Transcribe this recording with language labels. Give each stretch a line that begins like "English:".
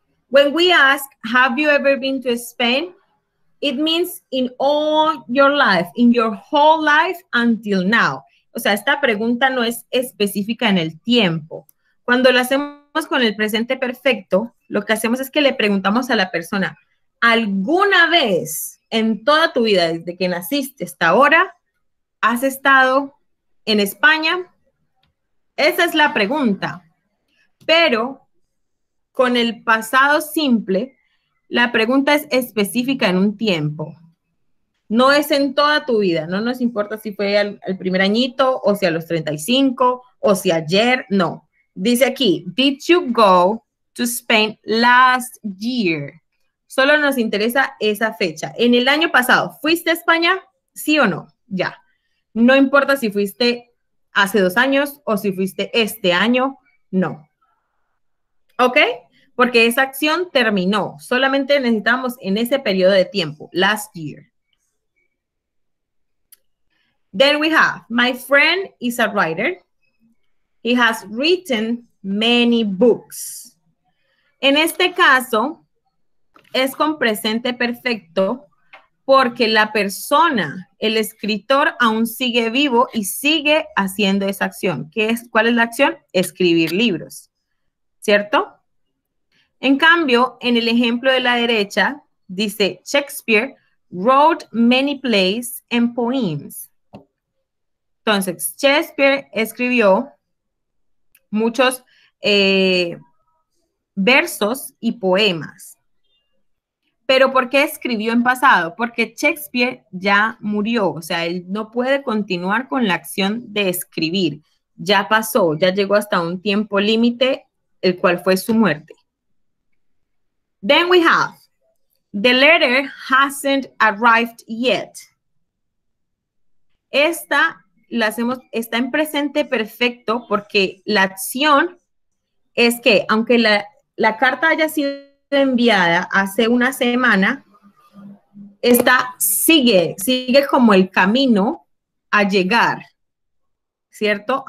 English: When we ask, have you ever been to Spain? It means in all your life, in your whole life until now.
Spanish: O sea, esta pregunta no es específica en el tiempo. Cuando lo hacemos con el presente perfecto, lo que hacemos es que le preguntamos a la persona, ¿alguna vez en toda tu vida, desde que naciste hasta ahora, has estado en España? Esa es la pregunta. Pero con el pasado simple, la pregunta es específica en un tiempo. No es en toda tu vida. No nos importa si fue al primer añito, o si a los 35, o si ayer, no. Dice aquí,
English: did you go to Spain last year?
Spanish: Solo nos interesa esa fecha. En el año pasado, ¿fuiste a España? ¿Sí o no? Ya. No importa si fuiste hace 2 años o si fuiste este año, no. ¿Ok? Porque esa acción terminó. Solamente necesitamos en ese periodo de tiempo,
English: last year. Then we have, my friend is a writer. He has written many books.
Spanish: En este caso, es con presente perfecto porque la persona, el escritor, aún sigue vivo y sigue haciendo esa acción. ¿Qué es? ¿Cuál es la acción? Escribir libros. ¿Cierto? En cambio, en el ejemplo de la derecha, dice
English: Shakespeare wrote many plays and poems.
Spanish: Entonces, Shakespeare escribió muchos versos y poemas. ¿Pero por qué escribió en pasado? Porque Shakespeare ya murió, o sea, él no puede continuar con la acción de escribir. Ya pasó, ya llegó hasta un tiempo límite, el cual fue su muerte.
English: Then we have, the letter hasn't arrived yet.
Spanish: Esta la hacemos, está en presente perfecto porque la acción es que, aunque la carta haya sido enviada hace una semana, esta sigue como el camino a llegar, ¿cierto?